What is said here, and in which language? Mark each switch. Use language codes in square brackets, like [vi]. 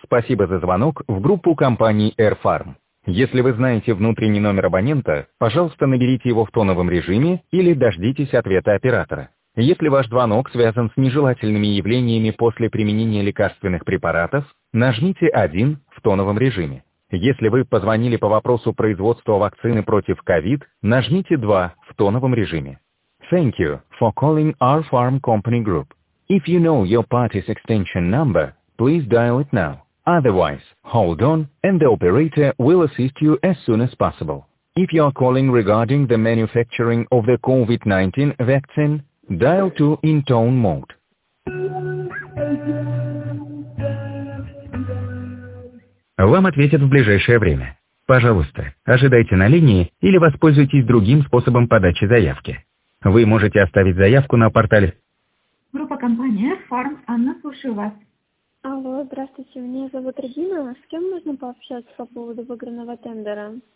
[ru] Спасибо за звонок в группу компании AirFarm. Если вы знаете внутренний номер абонента, пожалуйста, наберите его в тоновом режиме или дождитесь ответа оператора. Если ваш звонок связан с нежелательными явлениями после применения лекарственных препаратов, нажмите 1 в тоновом режиме. Если вы позвонили по вопросу производства вакцины против COVID, нажмите 2 в тоновом режиме. [en] Thank you for calling our farm company group. If you know your party's extension number, please dial it now. Otherwise, hold on, and the operator will assist you as soon as possible. If you are calling regarding the manufacturing of the COVID-19 vaccine, dial 2 in tone mode. [ru] Вам ответят в ближайшее время. Пожалуйста, ожидайте на линии или воспользуйтесь другим способом подачи заявки. Вы можете оставить заявку на портале. Группа компании AirFarm, Анна, слушаю вас. Алло, здравствуйте, меня зовут Регина. С кем можно пообщаться по поводу выигранного тендера?